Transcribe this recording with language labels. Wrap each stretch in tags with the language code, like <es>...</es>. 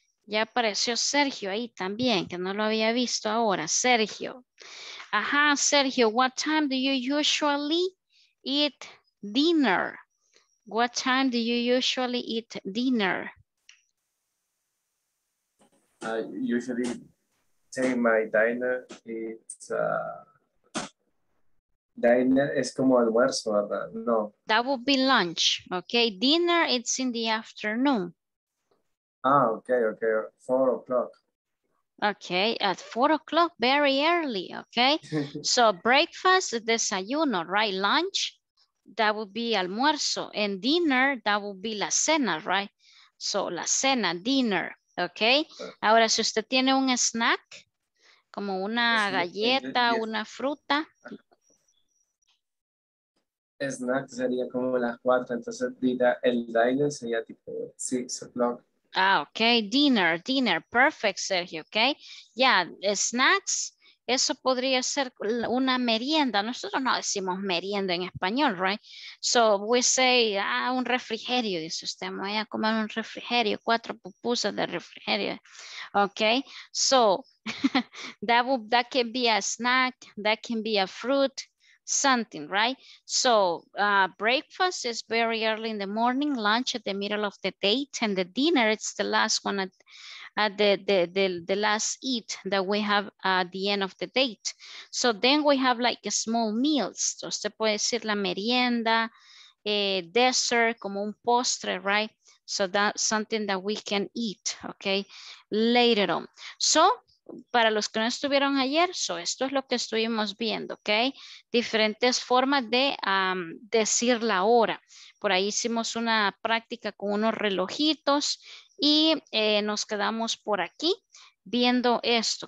<es>Ya apareció Sergio ahí también, que no lo había visto ahora. Sergio.</es> <en>Ajá, Sergio, what time do you usually eat dinner? What time do you usually eat dinner? I usually take my dinner. It's dinner is</en> <es>como almuerzo, ¿verdad?</es> <en>No. That would be lunch. Okay. Dinner, it's in the afternoon. Ah, okay, okay. 4 o'clock. Okay, at 4 o'clock, very early. Okay. So breakfast, desayuno, right? Lunch, that would be almuerzo. And dinner, that would be la cena, right? So la cena, dinner. Okay.</en> <es>Ahora, si usted tiene un snack, como una galleta, una fruta. Snack sería como las 4, entonces el diner sería tipo 6 o'clock.</es> <en>Ah, okay. Dinner, dinner. Perfect, Sergio. Okay. Yeah, snacks.</en> <es>Eso podría ser una merienda. Nosotros no decimos merienda en español,</es> <en>right? So we say,</en> <es>un refrigerio, dice usted. Me voy a comer un refrigerio, 4 pupusas de refrigerio.</es> <en>Okay, so that can be a snack, that can be a fruit, something, right? So breakfast is very early in the morning, lunch at the middle of the day, and the dinner, it's the last one the last eat that we have at the end of the date. So then we have like a small meals.</en> <es>So usted puede decir la merienda, dessert, como un postre, right?</es> <en>So that's something that we can eat, okay, later on.</en> <es>So para los que no estuvieron ayer, so esto es lo que estuvimos viendo, okay? Diferentes formas de decir la hora. Por ahí hicimos una práctica con unos relojitos. Y nos quedamos por aquí viendo esto.</es>